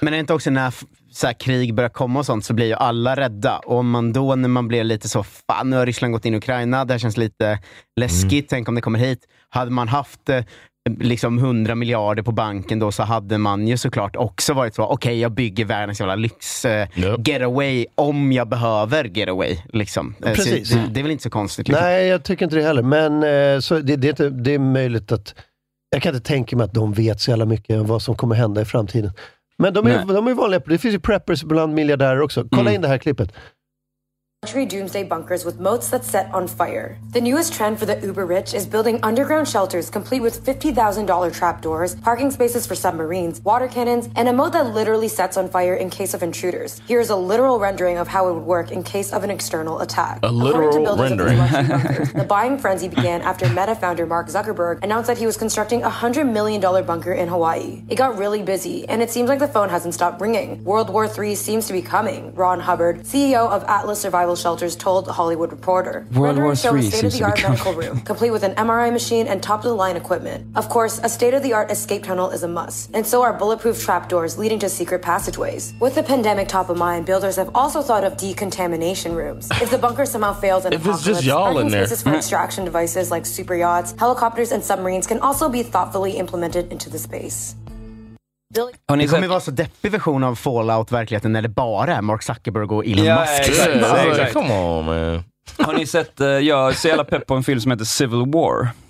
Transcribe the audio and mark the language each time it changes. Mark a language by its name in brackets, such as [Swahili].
[Swedish] Men är det inte också när så här krig börjar komma och sånt, så blir ju alla rädda, och om man då, när man blir lite så, fan, nu har Ryssland gått in i Ukraina, det här känns lite läskigt, tänk om det kommer hit, hade man haft liksom 100 miljarder på banken då, så hade man ju såklart också varit så, okej, jag bygger världens jävla lyx getaway om jag behöver getaway liksom. Precis. Det är väl inte så konstigt liksom. Nej, jag tycker inte det heller, men så det är möjligt att, jag kan inte tänka mig att de vet så jävla mycket om vad som kommer hända i framtiden, men de är vanliga. Det finns ju preppers bland miljardärer också. Kolla in det här klippet. [English] Luxury doomsday bunkers with moats that set on fire. The newest trend for the uber rich is building underground shelters complete with $50,000 trapdoors, parking spaces for submarines, water cannons, and a moat that literally sets on fire in case of intruders. Here is a literal rendering of how it would work in case of an external attack. A literal rendering. The buying frenzy began after Meta founder Mark Zuckerberg announced that he was constructing a $100 million bunker in Hawaii. It got really busy, and it seems like the phone hasn't stopped ringing. World War III seems to be coming. Ron Hubbard, CEO of Atlas Survival Shelters, told Hollywood Reporter. World War III seems to be coming. Complete with an MRI machine and top-of-the-line equipment. Of course, a state-of-the-art escape tunnel is a must. And so are bulletproof trapdoors leading to secret passageways. With the pandemic top of mind, builders have also thought of decontamination rooms. If the bunker somehow fails in apocalypse, parking spaces for extraction devices like super yachts, helicopters, and submarines can also be thoughtfully implemented into the space. [Swedish] Det kommer ju vara så deppig version av Fallout-verkligheten när det bara är Mark Zuckerberg och Elon Musk. [English] Come on, man. [Swedish] Har ni sett, jag är så jävla pepp på en film som heter Civil War.